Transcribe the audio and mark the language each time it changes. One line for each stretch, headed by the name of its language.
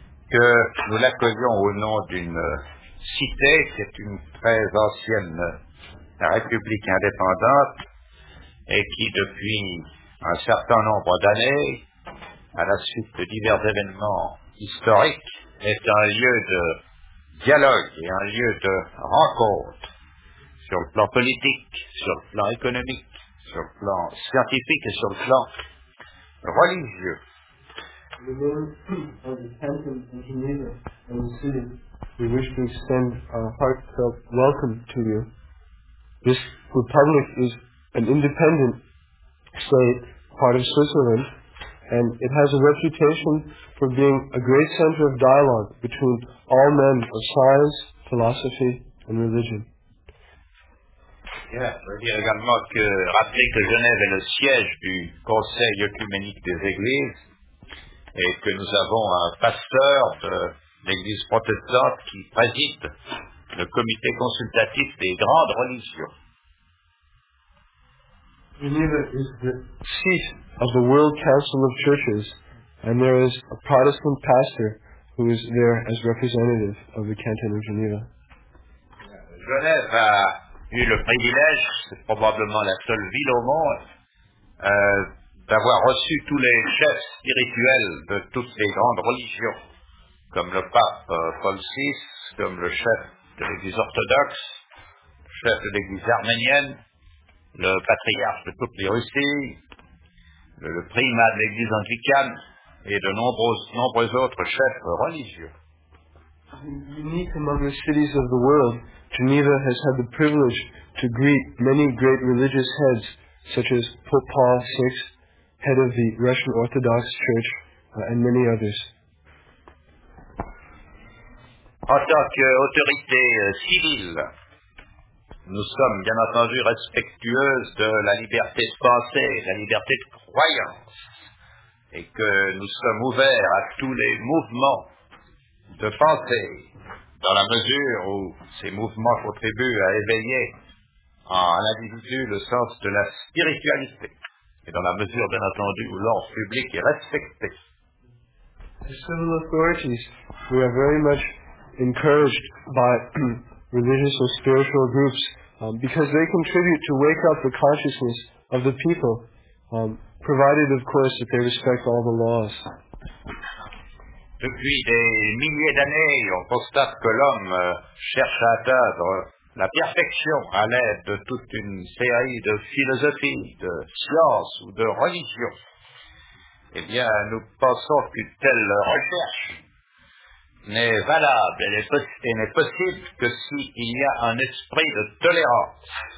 French: que nous l'accueillons au nom d'une cité qui est une très ancienne République indépendante et qui, depuis un certain nombre d'années, à la suite de divers événements historiques, est un lieu de dialogue et un lieu de rencontre sur le plan politique, sur le plan économique, sur le plan scientifique et sur le plan religieux.
English: The name of the Canton of Geneva and the city, we wish to extend our heartfelt welcome to you. This republic is an independent state, part of Switzerland, and it has a reputation for being a great center of dialogue between all men of science, philosophy, and religion.
French: Yeah, je veux dire également que rappeler que Genève est le siège du Conseil œcuménique des Églises et que nous avons un pasteur de l'Église protestante qui préside le comité consultatif des grandes religions.
English: Geneva is the seat of the World Council of Churches, and there is a Protestant pastor who is there as representative of the Canton of Geneva.
French: Genève a eu le privilège, c'est probablement la seule ville au monde, d'avoir reçu tous les chefs spirituels de toutes les grandes religions, comme le pape Paul VI, comme le chef de l'Église orthodoxe, le chef de l'Église arménienne, le patriarche de toutes les Russies, le primat de l'Église anglicane et de nombreux autres chefs religieux.
English: Unique among the cities of the world, Geneva has had the privilege to greet many great religious heads, such as Pope Paul VI, head of the Russian Orthodox Church, and many others.
French: En tant qu'autorité civile, nous sommes bien entendu respectueuses de la liberté de pensée, de la liberté de croyance, et que nous sommes ouverts à tous les mouvements de pensée, dans la mesure où ces mouvements contribuent à éveiller en l'individu le sens de la spiritualité, et dans la mesure, bien entendu, où l'ordre public est respecté.
English: As civil authorities, we are very much encouraged by religious or spiritual groups, because they contribute to wake up the consciousness of the people, provided, of course, that they respect all the laws.
French: Depuis des milliers d'années, on constate que l'homme cherche à atteindre la perfection à l'aide de toute une série de philosophies, de sciences ou de religions. Eh bien, nous pensons qu'une telle recherche n'est valable et n'est possible que s'il y a un esprit de tolérance.